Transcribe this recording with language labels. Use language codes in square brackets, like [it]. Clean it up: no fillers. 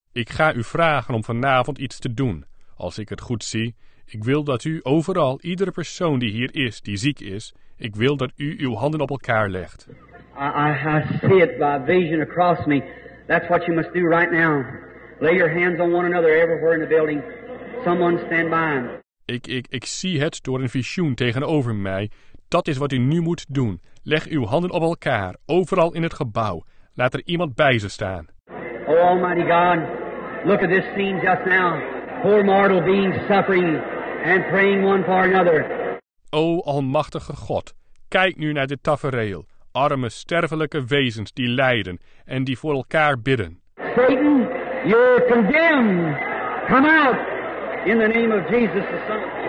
[nl] Ik ga u vragen om vanavond iets te doen. Als ik het goed zie, ik wil dat u overal, iedere persoon die hier is, die ziek is, ik wil dat u uw handen op elkaar legt. [en] I see it by vision across me. That's what you must do right now. Lay your hands on one another everywhere in the building. Someone stand by him. [nl] Ik zie het door een visioen tegenover mij. Dat is wat u nu moet doen. Leg uw handen op elkaar, overal in het gebouw. Laat er iemand bij ze staan. [en] Oh, Almighty God, look at this scene just now. Poor mortal being suffering and praying one for another. [nl] O almachtige God, kijk nu naar dit tafereel. Arme, sterfelijke wezens die lijden en die voor elkaar bidden. [en] Satan, you're condemned. Come out. In the name of Jesus the Son.